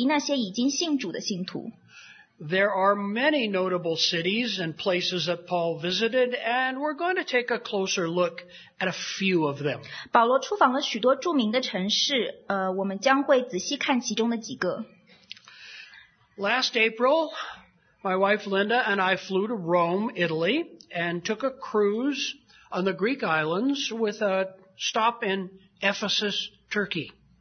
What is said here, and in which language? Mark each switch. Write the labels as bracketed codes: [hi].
[zh] 每一段旅途，旅行的意图和结果都是让那些没有听说过耶稣的福音的人成为信徒，也是为了鼓励那些已经信主的信徒。 [en] There are many notable cities and places that Paul visited, and we're going to take a closer look at a few of them. [zh] 保罗出访了许多著名的城市，我们将会仔细看其中的几个。 [en] Last April, my wife Linda and I flew to Rome, Italy, and took a cruise on the Greek islands with a stop in Ephesus, Turkey.